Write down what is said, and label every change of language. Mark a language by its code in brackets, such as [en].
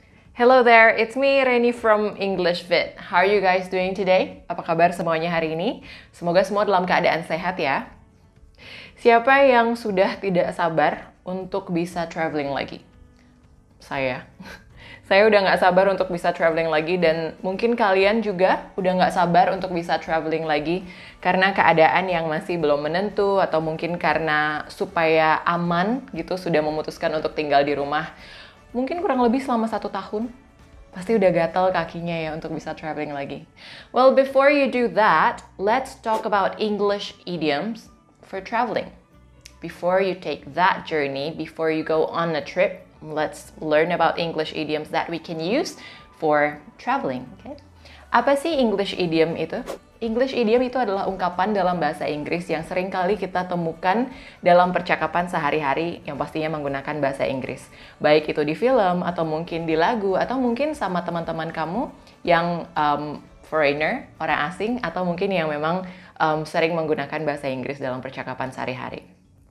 [en] Hello there, it's me Reni from English Fit. How are you guys doing today? [id] Apa kabar semuanya hari ini? Semoga semua dalam keadaan sehat ya. Siapa yang sudah tidak sabar untuk bisa traveling lagi? Saya udah nggak sabar untuk bisa traveling lagi dan mungkin kalian juga udah nggak sabar untuk bisa traveling lagi karena keadaan yang masih belum menentu atau mungkin karena supaya aman gitu sudah memutuskan untuk tinggal di rumah. Mungkin kurang lebih selama 1 tahun, pasti udah gatel kakinya ya untuk bisa traveling lagi. [en] Well, before you do that, let's talk about English idioms for traveling. Before you take that journey, before you go on a trip, let's learn about English idioms that we can use for traveling. Okay? [id] Apa sih English idiom itu? English idiom itu adalah ungkapan dalam bahasa Inggris yang sering kali kita temukan dalam percakapan sehari-hari yang pastinya menggunakan bahasa Inggris. Baik itu di film, atau mungkin di lagu, atau mungkin sama teman-teman kamu yang foreigner, orang asing, atau mungkin yang memang sering menggunakan bahasa Inggris dalam percakapan sehari-hari.